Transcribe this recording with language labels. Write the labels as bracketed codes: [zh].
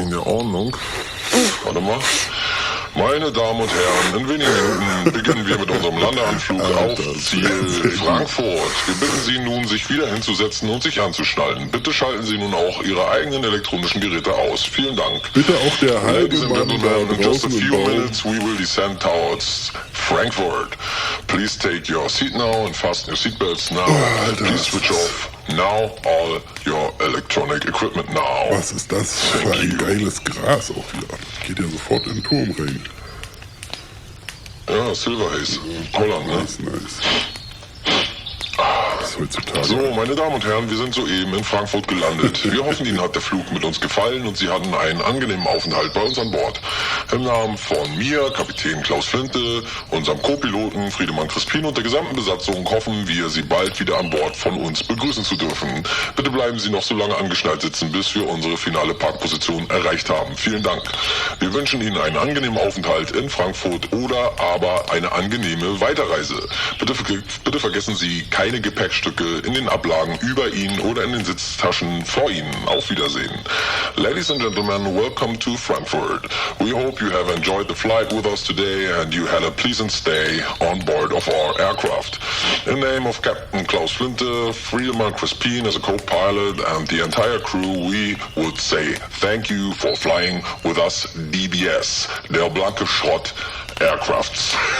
[de] Wegen der Ordnung. Warte mal. Meine Damen und Herren, in wenigen Minuten beginnen wir mit unserem Landeanflug auf Ziel Frankfurt. Wir bitten Sie nun, sich wieder hinzusetzen und sich anzuschnallen. Bitte schalten Sie nun auch Ihre eigenen elektronischen Geräte aus. Vielen Dank. Bitte auch der halbe Mann da [en] in just a few minutes we will descend towards Frankfurt. Please take your seat now and fasten your seatbelts now. [de] Oh, Alter, [en] please switch off now all your electronic equipment now. [de] Was ist das für ein geiles Gras auch wieder? Geht ja sofort in den Turm rein. Ja, Silver Haze. Holland, [en] nice, [de] ne? [en] Nice, nice. [de] Ah, heutzutage. So, meine Damen und Herren, wir sind soeben in Frankfurt gelandet. Wir hoffen, Ihnen hat der Flug mit uns gefallen und Sie hatten einen angenehmen Aufenthalt bei uns an Bord. Im Namen von mir, Kapitän Klaus Flinte, unserem Co-Piloten Friedemann Crispin und der gesamten Besatzung hoffen wir, Sie bald wieder an Bord von uns begrüßen zu dürfen. Bitte bleiben Sie noch so lange angeschnallt sitzen, bis wir unsere finale Parkposition erreicht haben. Vielen Dank. Wir wünschen Ihnen einen angenehmen Aufenthalt in Frankfurt oder aber eine angenehme Weiterreise. Bitte vergessen Sie keine Gepäckstücke in den Ablagen über Ihnen oder in den Sitztaschen vor Ihnen. Auf Wiedersehen. [en] Ladies and gentlemen, welcome to Frankfurt. We hope you have enjoyed the flight with us today and you had a pleasant stay on board of our aircraft. In name of Captain Klaus Flinte, Friedemann Crispin as a co-pilot and the entire crew, we would say thank you for flying with us DBS, [de] der blanke Schrott [en] Aircrafts.